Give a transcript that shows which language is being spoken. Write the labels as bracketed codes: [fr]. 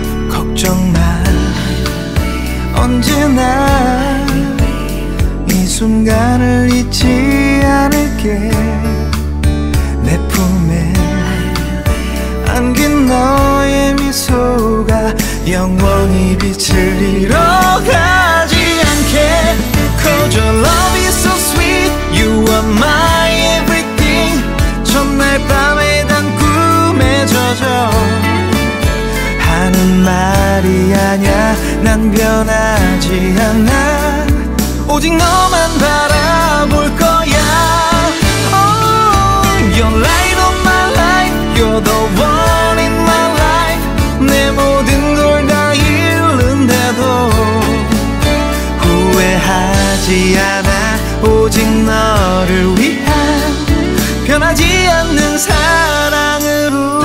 [ko] 걱정 마, 언제나 이 순간을 잊지 않을게. 내 품에 안긴 너의 미소가 영원히 빛을 잃어가지 않게. [en] 'Cause your love is so sweet, you are my everything. [ko] 첫날 밤에 난 꿈에 젖어 하는 말이 아냐. 난 변하지 않아, 오직 너만 바라볼 거야. [en] Oh, your light of my life, you're the one in my life. [ko] 내 모든 걸 다 잃는데도 후회하지 않아, 오직 너를 위한 변하지 않는 사랑으로.